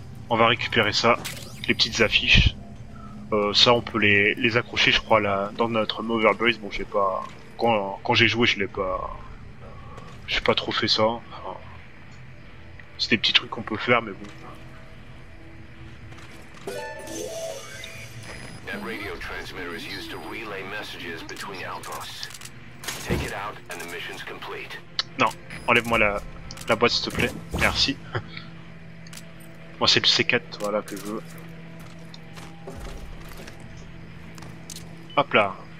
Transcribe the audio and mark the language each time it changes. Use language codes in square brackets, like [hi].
[fr] On va récupérer ça, les petites affiches. Ça, on peut les accrocher, je crois, là, dans notre Mover Base. Bon, j'ai pas... Quand j'ai joué, j'ai pas trop fait ça. Enfin, c'est des petits trucs qu'on peut faire, mais bon. [en] That radio transmitter is used to relay messages between outposts. Take it out and the mission's complete. [fr] Non, enlève-moi la boîte, s'il te plaît. Merci. Moi, c'est le C4, voilà, que je veux. Hop là.